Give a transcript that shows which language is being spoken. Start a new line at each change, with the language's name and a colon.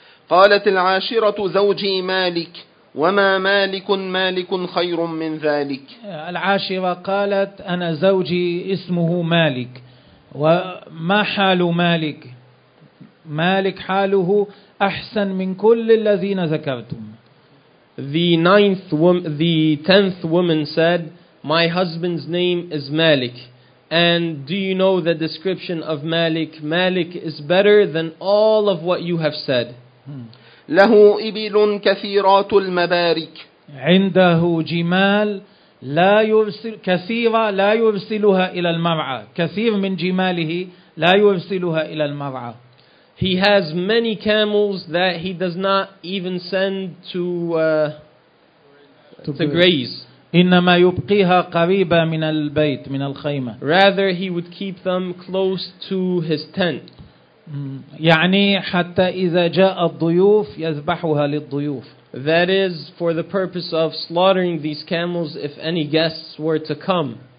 Arabic: قالت العاشرة زوجي مالك وما مالك مالك خير من ذلك. العاشرة قالت أنا زوجي اسمه مالك وما حال مالك. مالك حاله أحسن من كل الذين ذكرتم.
English: The tenth woman said, my husband's name is Malik. And do you know the description of Malik? Malik is better than all of what you have said.
Arabic: له إبل كثيرات المبارك. عنده جمال لا يرسل كثيرة لا يرسلها إلى المرعى. كثير من جماله لا يرسلها إلى المرعى.
English: He has many camels that he does not even send to graze.
Arabic: إنما يبقيها قريبة من البيت من الخيمة.
English: Rather he would keep them close to his tent.
Arabic: يعني حتى إذا جاء الضيوف يذبحها للضيوف.
English: That is for the purpose of slaughtering these camels if any guests were to come.